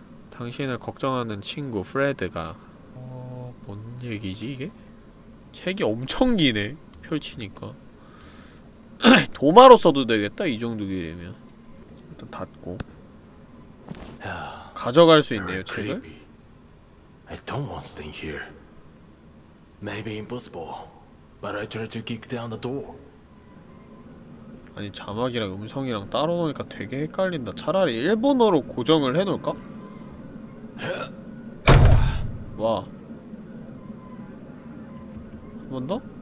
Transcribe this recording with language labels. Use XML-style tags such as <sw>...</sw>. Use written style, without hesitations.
<ko>당신을 걱정하는 친구 프레드가. 뭔 얘기지 이게? 책이 엄청 기네. 펼치니까 도마로 써도 되겠다. 이 정도 길이면 일단 닫고 가져갈 수 있네요, 책을?</ko> <en>I don't want to stay here. Maybe impossible. But I tried to kick down the door.</en> <ko>아니, 자막이랑 음성이랑 따로 놓으니까 되게 헷갈린다. 차라리 일본어로 고정을 해 놓을까? 와. 한 번 더?</ko>